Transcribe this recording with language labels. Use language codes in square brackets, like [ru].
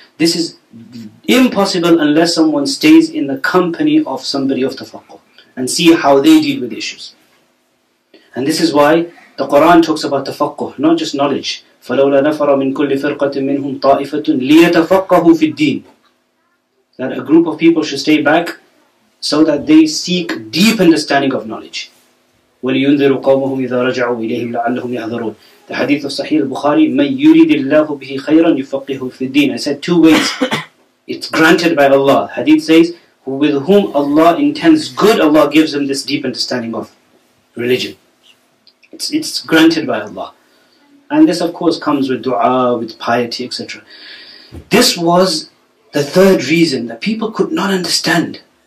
[en] This is impossible unless someone stays in the company of somebody of tafaqquh and see how they deal with issues. And this is why the Quran talks about tafaqquh, not just knowledge. [ar] فَلَوْلَا نَفَرَ مِنْ كُلِّ فِرْقَةٍ مِنْهُمْ طَائِفَةٌ لِيَتَفَقَّهُ فِي الدِّينِ [en] That a group of people should stay back so that they seek deep understanding of knowledge. [ar] وَلِيُنذِرُ قَوْمَهُمْ إِذَا رَجَعُوا إِلَيْهِمْ لَعَلَّهُمْ يَحْذَرُونَ [en] The hadith of Sahih al-Bukhari, [ar] مَنْ يُرِدِ اللَّهُ بِهِ خَيْرًا يُفَقِّهُ فِي الدِّينِ [en] I said two ways. It's granted by Allah. Hadith says, with whom Allah intends good, Allah gives him this deep understanding of religion. It's granted by Allah. And this, of course, comes with dua, with piety, etc. This was the third reason that people could not understand.